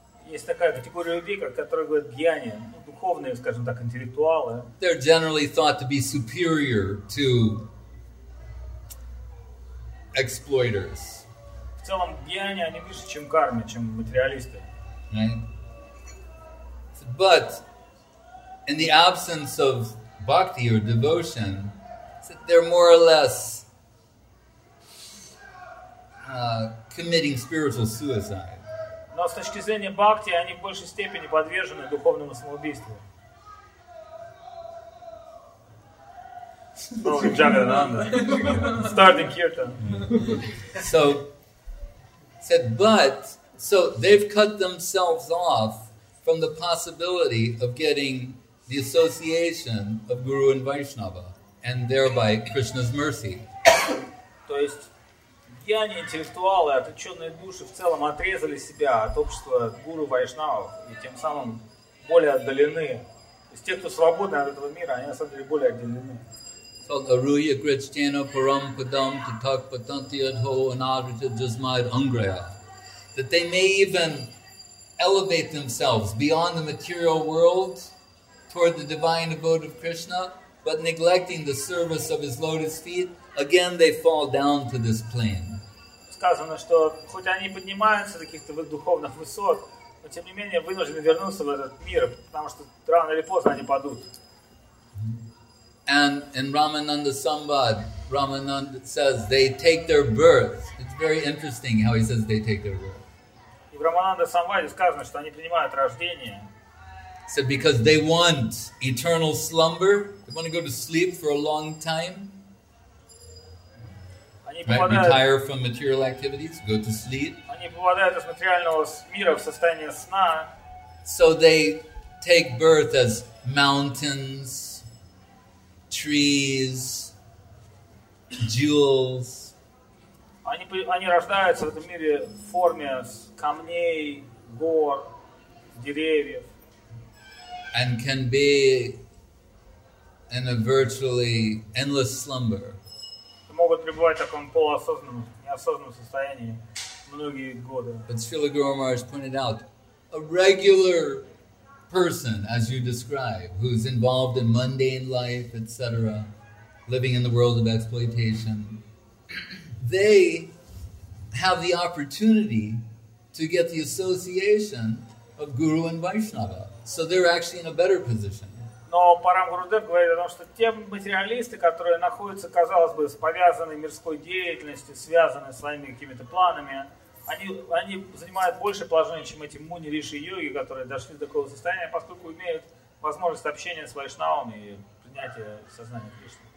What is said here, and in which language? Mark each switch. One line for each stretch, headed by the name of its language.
Russian: Есть такая категория людей, которые говорят гьяни, духовные, скажем так, интеллектуалы.
English: They're generally thought to be superior to exploiters.
Russian: В целом гьяни, они выше, чем карми, чем материалисты.
English: Right? But in the absence of bhakti or devotion, they're more or less committing spiritual suicide.
Russian: Но с точки зрения бхакти, они в большей степени подвержены духовному самоубийству.
English: Starting kirtan. So they've cut themselves off from the possibility of getting the association of Guru and Vaishnava, and thereby Krishna's mercy.
Russian: То есть гьяни, интеллектуалы, отреченные души в целом отрезали себя от общества гуру вайшнавов и тем самым более отдалены. То есть те, кто свободны от этого мира, они на самом деле более отделены.
Sanskrit: So aruya krishtena param padam tatak patanti adho anadrita jasmaid angraya.
English: That they may even elevate themselves beyond the material world toward the divine abode of Krishna, but neglecting the service of his lotus feet, again they fall down to this plane.
Russian: Сказано, что хоть они поднимаются каких-то духовных высот, но тем не менее вынуждены вернуться в этот мир, потому что рано или поздно они падут.
English: And in Ramananda Sambhad, Ramananda says they take their birth. It's very interesting how he says they take their birth.
Russian: И в Рамананда Самбаде сказано, что они принимают рождение.
English: So because they want eternal slumber, they want to go to sleep for a long time. Right, retire from material activities, go to sleep.
Russian: Они попадают из материального мира в состояние сна.
English: So they take birth as mountains, trees, jewels.
Russian: Они рождаются в этом мире в форме камней, гор, деревьев.
English: And can be in a virtually endless slumber.
Russian: Могут пребывать в таком полуосознанном, неосознанном состоянии многие годы.
English: But Srila Guru Maharaj pointed out, a regular person, as you describe, who's involved in mundane life, etc., living in the world of exploitation, they have the opportunity to get the association of Guru and Vaishnava. So they're actually in a better position.
Russian: Но Парам Гурудев говорит о том, что те материалисты, которые находятся, казалось бы, с повязанной мирской деятельностью, связанной своими какими-то планами, они занимают большее положение, чем эти муни, риши и йоги, которые дошли до такого состояния, поскольку имеют возможность общения с вайшнавами и принятия сознания Кришны.